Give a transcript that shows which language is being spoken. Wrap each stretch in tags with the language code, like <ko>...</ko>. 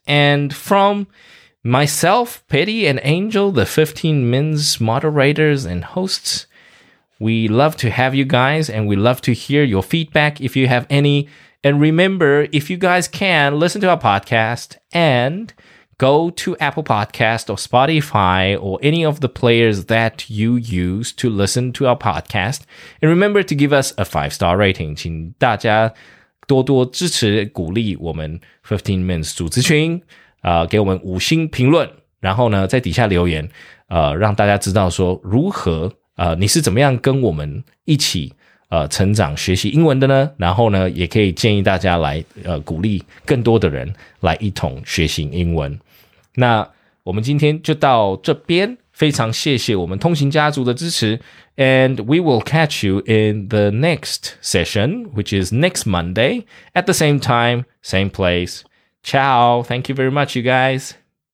<en>And from myself, Patty and Angel, the 15 Men's moderators and hosts, we love to have you guys and we love to hear your feedback if you have any. And remember, if you guys can, listen to our podcast and go to Apple Podcast or Spotify or any of the players that you use to listen to our podcast. And remember to give us a 5-star rating.</en> <zh>请大家多多支持鼓励我们15 Minutes 组织群、给我们五星评论，然后呢在底下留言、让大家知道说如何、你是怎么样跟我们一起成长学习英文的呢，然后呢也可以建议大家来鼓励更多的人来一同学习英文。那我们今天就到这边，非常谢谢我们通勤家族的支持，</zh> <en>and we will catch you in the next session, which is next Monday at the same time, same place. Ciao, thank you very much you guys.</en>